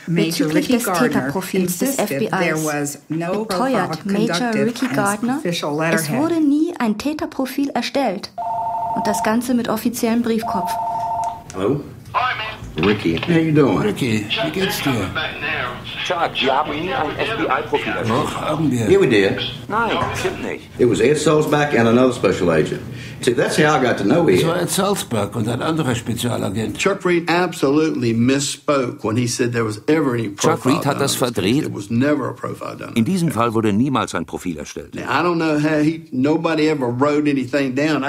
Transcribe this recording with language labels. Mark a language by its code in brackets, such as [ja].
[de] bezüglich des Täterprofils des FBIs, beteuert Major Ricky Gardner, es wurde nie ein Täterprofil erstellt. Und das Ganze mit offiziellem Briefkopf. Hallo? [en] Hi, man. Ricky. How you doing? [de] Ricky, wie geht's dir? Chuck, wir haben Ihnen ein FBI-Profil erstellt. Doch, haben wir. [en] Yeah, we did. [de] Nein, stimmt nicht. [en] It was Ed Salzberg and another special agent. See, that's how I got to know Ed. [de] Es war Ed Salzberg und ein anderer Spezialagent. [en] Chuck Reed absolutely misspoke when he said there was ever any profile. [de] Chuck Reed hat das verdreht. [en] There was never a profile done. [de] In diesem Fall wurde niemals ein Profil erstellt. [en] Now, I don't know how he, nobody ever wrote anything down.